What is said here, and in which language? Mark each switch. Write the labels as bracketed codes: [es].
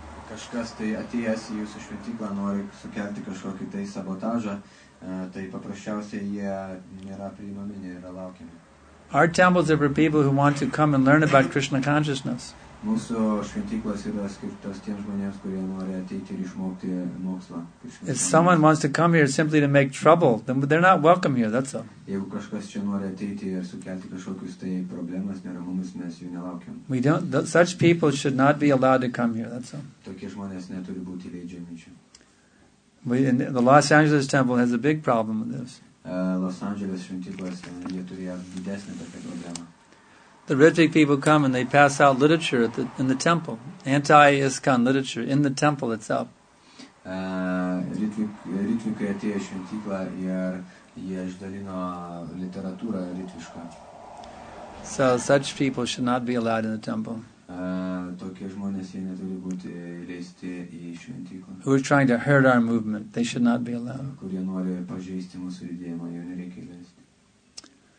[lt] Kažkas tai atėjęs į jūsų šventyklą nori sukelti kažkokį tai sabotažą, tai paprasčiausiai jie nėra priimami, nėra laukiami. [en] Our temples are for people who want to come and learn about Krishna consciousness. [lt] Mūsų šventyklos yra skirtos tiems žmonėms, kurie nori ateiti ir išmokti mokslą. [en] If someone wants to come here simply to make trouble, then they're not welcome here, that's all. [lt] Jeigu kažkas čia nori ateiti ir sukelti kažkokius tai problemas, neramumus, mes jų nelaukiam. [en] We don't, such people should not be allowed to come here, that's all. [lt] Tokie žmonės neturi būti leidžiami čia. [en] The Los Angeles temple has a big problem with this. [lt] Los Angeles šventyklos, jie turėjo didesnį tokią problemą. [en] The Ritvik people come and they pass out literature at in the temple, anti-ISKCON literature in the temple itself. [lt] Ritvikai atėjo šventyklą ir jie išdalino literatūrą ritvišką. [en] So such people should not be allowed in the temple. [lt] Tokie žmonės jie neturi būti įleisti į šventyklą. [en] Who are trying to hurt our movement, they should not be allowed. [lt] Kurie nori pažeisti mūsų judėjimą, jie nereikia įleisti.